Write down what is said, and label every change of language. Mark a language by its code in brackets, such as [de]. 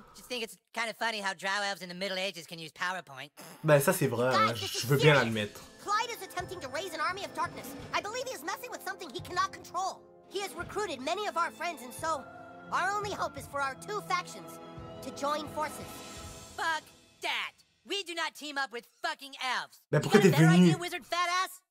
[en] Just think it's kind of funny how drow elves in the Middle Ages can use PowerPoint. [fr] Ben, ça c'est vrai, je veux bien l'admettre. [en] Clyde is attempting to raise an army of darkness. I believe he is messing with something he cannot control. He has recruited many of our friends, and so our only hope is for our 2 factions to join forces. Fuck that! We do not team up with fucking elves. [fr] Mais pourquoi t'es venu? [en] You got a better idea, wizard fat ass?